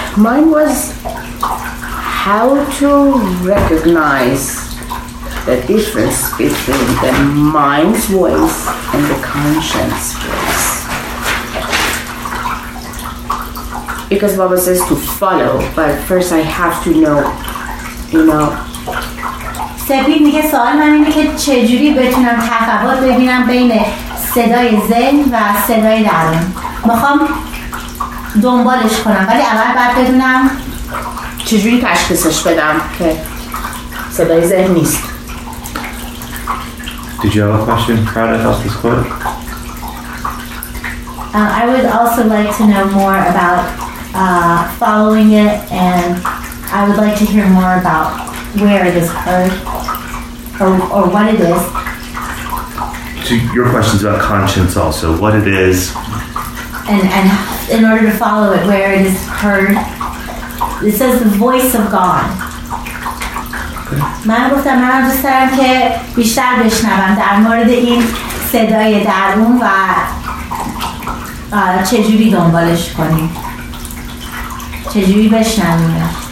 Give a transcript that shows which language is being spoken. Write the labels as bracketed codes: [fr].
[en] Mine was how to recognize the difference between the mind's voice and the conscience voice. because Baba says to follow, but first I have to know, you know. [fa] سپید میگه سوال من اینه که چجوری بتونم تفاوت ببینم بین صدای ذهن و صدای درون. میخوام دنبالش کنم ولی اول باید بدونم چجوری تشخیصش بدم که صدای ذهن نیست. [en] Did you have a question? How did I ask this question? I would also like to know more about following it, and I would like to hear more about where it is heard or what it is. So your question is about conscience also, what it is. And in order to follow it, where it is heard, it says the voice of God. [fa] من گفتم من دوست دارم که بیشتر بشنوم در مورد این صدای درون و چجوری دنبالش کنیم، چجوری بشنویم.